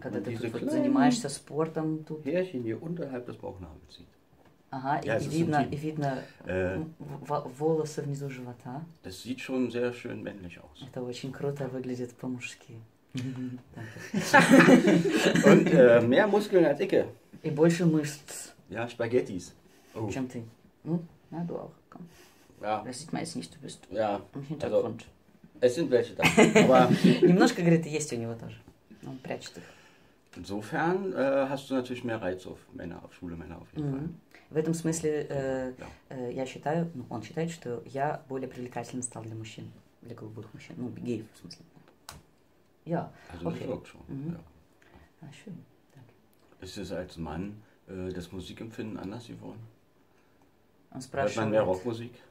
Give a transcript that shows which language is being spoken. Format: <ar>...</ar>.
<ru>когда ты</ru> <de>diese</de> <ru>тут занимаешься спортом, тут...</ru> <de>Härchen hier unterhalb des Bauchnabels sieht.</de> <ru>Ага,</ru> <de>ja,</de> <ru>и видно волосы внизу живота.</ru> <de>Das sieht schon sehr schön männlich aus.</de> <ru>Это очень круто выглядит по-мужски.</ru> <de>Und mehr Muskeln als Icke.</de> <ru>И больше мышц.</ru> <de>Ja, Spaghettis. Oh.</de> <ru>Чем ты?</ru> <de>Ja, du auch, komm. Ja. Das sieht man jetzt nicht, du bist ja. Im Hintergrund. Also, es sind welche da. Aber</de> <ru>немножко, говорит, есть у него тоже. Он прячет их.</ru> <de>Insofern hast du natürlich mehr Reiz auf Männer, auf schwule Männer auf jeden mm-hmm. Fall.</de> <ru>В этом смысле,</ru> <de>ja.</de> <ru>Я считаю, ну, он считает, что я более привлекательным стал для мужчин, для голубых мужчин, ну, гей, в смысле.</ru> <de>Ja. Also, okay. Das wirkt schon. Mm-hmm. Ja. Ah, schön. Danke. Ist es als Mann das Musikempfinden anders geworden?</de> <ru>Он спрашивает.</ru> <de>Hört man mehr Rockmusik?</de>